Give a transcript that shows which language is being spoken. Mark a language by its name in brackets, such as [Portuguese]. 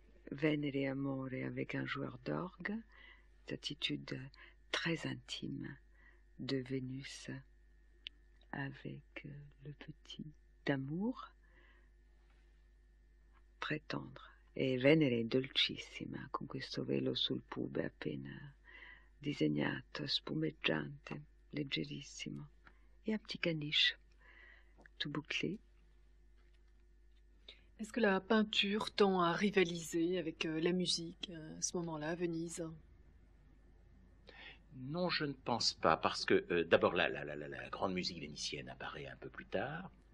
[French] Venere amore avec un joueur d'orgue, cette attitude très intime de Vénus avec le petit d'amour, très tendre. [Italian] E Venere dolcissima con questo velo sul pube appena disegnato, spumeggiante, leggerissimo. [French] E un petit caniche, tout bouclé. Est-ce que la peinture tend à rivaliser avec la musique à ce moment-là à Venise? Non, je ne pense pas, parce que d'abord la grande musique vénitienne apparaît un peu plus tard.